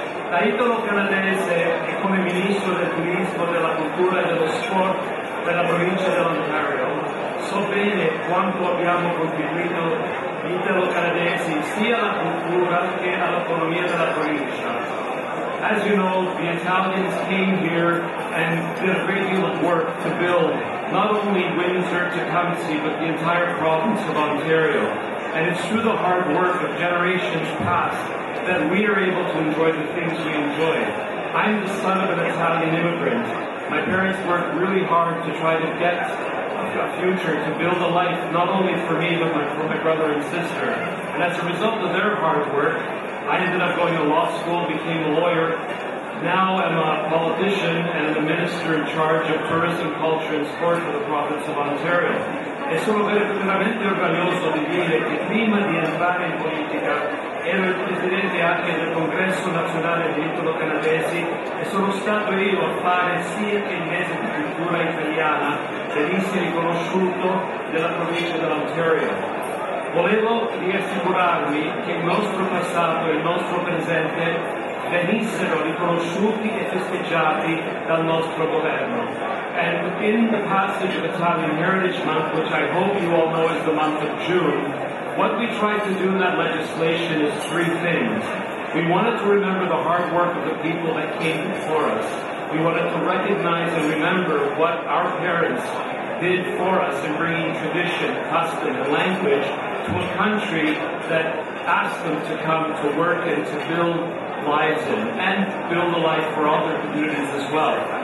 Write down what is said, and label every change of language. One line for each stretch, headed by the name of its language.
Italian: Da italo-canadese e come ministro del turismo, della cultura e dello sport della provincia dell'Ontario, so bene quanto abbiamo contribuito gli italo-canadesi sia alla cultura che all'economia della provincia.
English: As you know, the Italians came here and did a great deal of work to build not only Windsor, Tecumseh, but the entire province of Ontario. And it's through the hard work of generations past that we are able to enjoy the things we enjoy. I'm the son of an Italian immigrant. My parents worked really hard to try to get a future, to build a life not only for me, but for my brother and sister. And as a result of their hard work, I ended up going to law school, became a lawyer. Now I'm a politician and the minister in charge of tourism, culture, and sport for the province of Ontario.
Italian: E sono veramente orgoglioso di dire che prima di entrare in politica ero il presidente anche del Congresso Nazionale di Italo Canadesi e sono stato io a fare sia che il mese di cultura italiana venisse riconosciuto della provincia dell'Ontario. Volevo riassicurarmi che il nostro passato e il nostro presente venissero riconosciuti e festeggiati dal nostro governo.
English: And in the passage of Italian Heritage Month, which I hope you all know is the month of June, what we tried to do in that legislation is three things. We wanted to remember the hard work of the people that came before us. We wanted to recognize and remember what our parents did for us in bringing tradition, custom, and language to a country that asked them to come to work and to build lives in, and build a life for other communities as well.